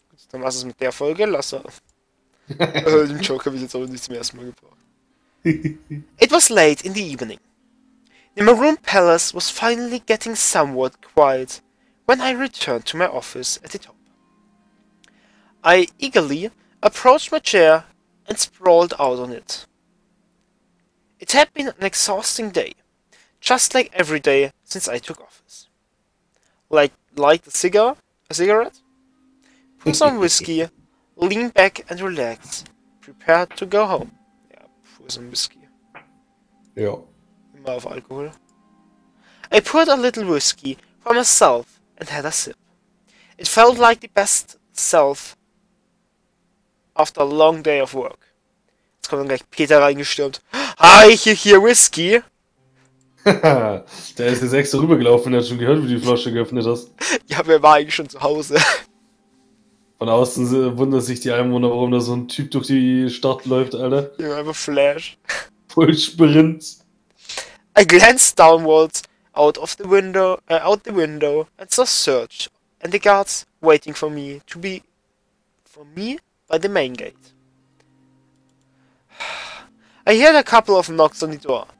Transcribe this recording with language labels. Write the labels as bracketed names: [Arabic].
[German] Dann war es mit der Folge, lass auf. Den Joke habe ich jetzt auch nicht zum ersten Mal gebraucht. [English] It was late in the evening. The Maroon Palace was finally getting somewhat quiet when I returned to my office at the top. I eagerly approached my chair and sprawled out on it. It had been an exhausting day, just like every day since I took office. Light a cigarette? Put some whiskey, lean back and relax, prepare to go home. Ja, pour some whiskey. [German] Ja. Immer auf Alkohol. [English] I poured a little whiskey for myself and had a sip. It felt like the best self after a long day of work. [German] Jetzt kommt dann gleich Peter reingestürmt. Hi, hier Whiskey. Der ist jetzt extra rübergelaufen, der hat schon gehört, wie du die Flasche geöffnet hast. Ja, wer war eigentlich schon zu Hause? Von außen wundert sich die Einwohner, warum da so ein Typ durch die Stadt läuft, Alter. Ja, einfach Flash. Voll Sprint. [English] I glanced downwards out the window and saw Serge and the guards waiting for me to be for me by the main gate. I heard a couple of knocks on the door.